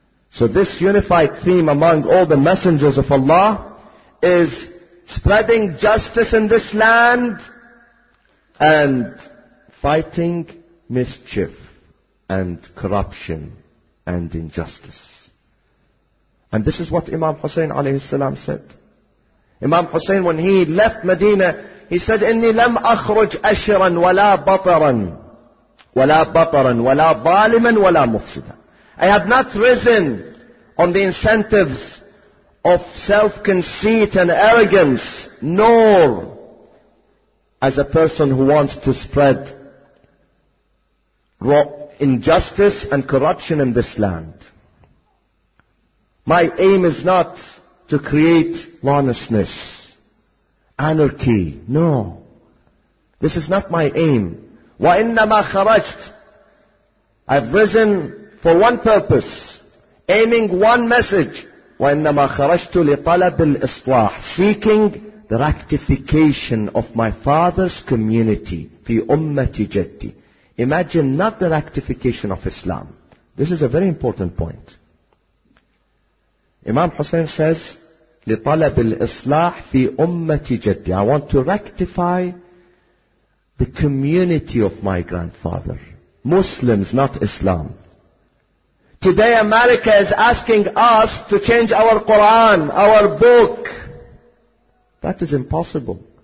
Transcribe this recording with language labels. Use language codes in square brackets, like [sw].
[en] So this unified theme among all the messengers of Allah is spreading justice in this land and fighting mischief and corruption and injustice. And this is what Imam Hussein alayhi salam said. Imam Hussein, when he left Medina, he said, [ar] إِنِّي لَمْ أَخْرُجْ أَشِرًا وَلَا بَطَرًا وَلَا بَطَرًا وَلَا ظَالِمًا وَلَا مُفْسِدًا. [en] I have not risen on the incentives of self-conceit and arrogance, nor as a person who wants to spread injustice and corruption in this land. My aim is not to create lawlessness, anarchy. No. This is not my aim. [ar] وَإِنَّمَا خَرَجْتْ. [en] I've risen for one purpose, aiming one message. [ar] وَإِنَّمَا خَرَجْتُ لِطَلَبِ الْإِصْلَاحِ. [en] Seeking the rectification of my father's community. [ar] في أُمَّةِ جَدِّي. [en] Imagine not the rectification of Islam. This is a very important point. Imam Hussein says, [ar] لِطَلَبِ الْإِصْلَاحِ فِي أُمَّةِ جَدِّي. [en] I want to rectify the community of my grandfather. Muslims, not Islam. Today America is asking us to change our Quran, our book. That is impossible.